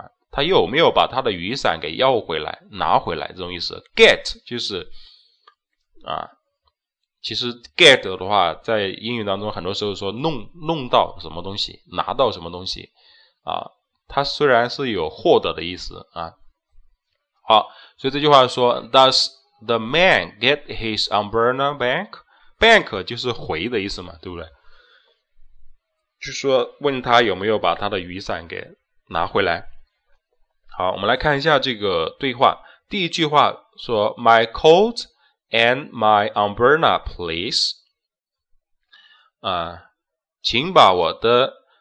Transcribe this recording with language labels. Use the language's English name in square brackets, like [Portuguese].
[Chinese] 他有没有把他的雨伞给要回来，拿回来？这种意思 ，get 就是啊。其实 get 的话在英语当中很多时候说弄到什么东西，拿到什么东西啊，它虽然是有获得的意思啊。好，所以这句话说 [English] Does the man get his umbrella back？ [Chinese] Back 就是回的意思嘛，对不对？就说问他有没有把他的雨伞给拿回来。好，我们来看一下这个对话。第一句话说 [English] My coatAnd my umbrella, please. [Chinese] 请把我的